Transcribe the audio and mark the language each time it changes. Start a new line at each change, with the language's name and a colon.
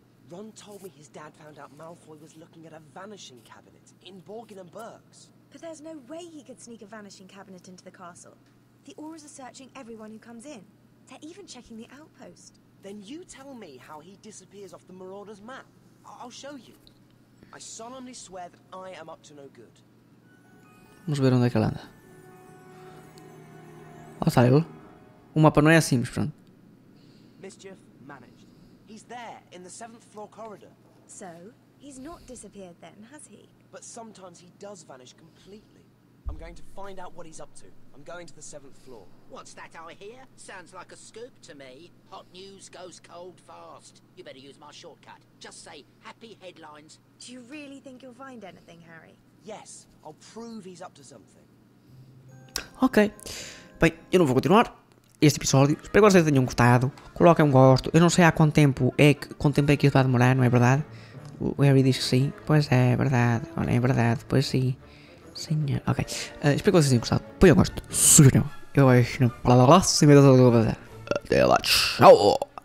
English: Ron told me his dad found out Malfoy was looking at a vanishing cabinet in Borgin and Burks. But there's no way he could sneak a vanishing cabinet into the castle. The auras are searching everyone who comes in. They're even checking the outpost. Then you tell me how he disappears off the Marauder's map. I'll show you. I solemnly swear that I am up to no good.
Portuguese: Vamos ver onde é que ela anda. Ah, está ele. O mapa não é assim, mas pronto.
English: Mischief managed. He's there in the 7th floor corridor. So, he's not disappeared then, has he? But sometimes he does vanish completely. I'm going to find out what he's up to. I'm going to the 7th floor. What's that I hear? Sounds like a scoop to me. Hot news goes cold fast. You better use my shortcut. Just say happy headlines. Do you really think you'll find anything, Harry? Yes, I'll prove he's up to something. OK.
Portuguese: Bem, eu não vou continuar este episódio. Espero que vocês tenham gostado. Coloquem um gosto. Eu não sei há quanto tempo é que isto vai demorar, não é verdade? O Harry diz que sim. Pois é, é verdade. Olha, é verdade. Pois sim. Senhor. Ok. Espero que vocês tenham gostado. Põe um gosto. Sugiram. Eu acho que não. Blá blá blá. Sem medo de fazer. Até lá. Tchau.